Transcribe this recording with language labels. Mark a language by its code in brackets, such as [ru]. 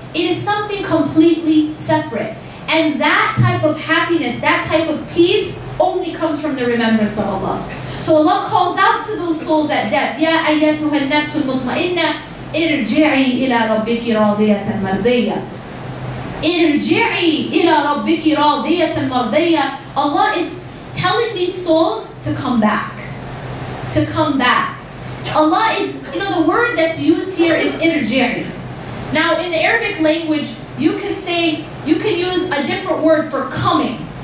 [en] It is something completely separate. And that type of happiness, that type of peace, only comes from the remembrance of Allah. So Allah calls out to those souls at death, [ar] يَا أَيَّتُهَا النَّفْسُ الْمُطْمَئِنَّةِ ارجعي إلى ربك راضية مرضية. ارجعي إلى ربك راضية مرضية. [en] Allah is telling these souls to come back. To come back. Allah is, you know, the word that's used here is irjiri. Now in the Arabic language, you can use a different word for coming.